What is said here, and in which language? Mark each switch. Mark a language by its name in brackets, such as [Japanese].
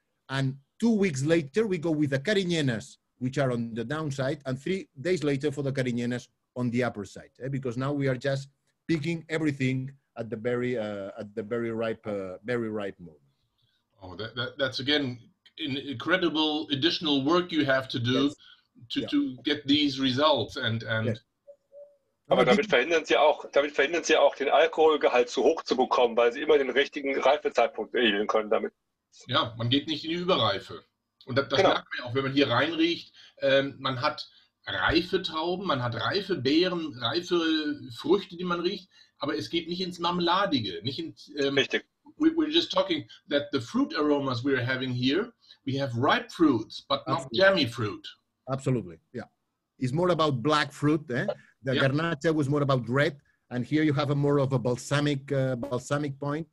[English] And 2 weeks later, we go with the Carignanas, which are on the downside, and 3 days later for the Carignanas on the upper side. Because now we are just picking everything at the very ripe moment. Oh, that's again an incredible additional work you have to do to get these results. [German] Aber damit verhindern Sie auch den Alkoholgehalt zu hoch zu bekommen, weil Sie immer den richtigen Reifezeitpunkt erhielen können damit. Ja, man geht nicht in die Überreife. Und das merkt man auch, wenn man hier reinriecht. Man hat reife Trauben, man hat reife Beeren, reife Früchte, die man riecht, aber es geht nicht ins Marmeladige. Nicht ins, Richtig. [English] We're just talking that the fruit aromas we are having here, we have ripe fruits, but not jammy fruit. Absolutely, yeah. It's more about black fruit, The Garnacha was more about red, and here you have a more of a balsamic point.